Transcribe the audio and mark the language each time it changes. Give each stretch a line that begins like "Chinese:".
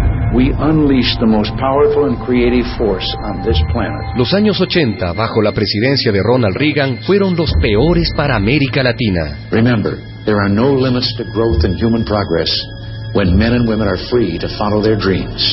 English: We unleash the most powerful and creative force on this planet.
Spanish: Los años 80, bajo la presidencia de Ronald Reagan, fueron los peores para América Latina.
English: Remember, there are no limits to growth and human progress when men and women are free to follow their dreams.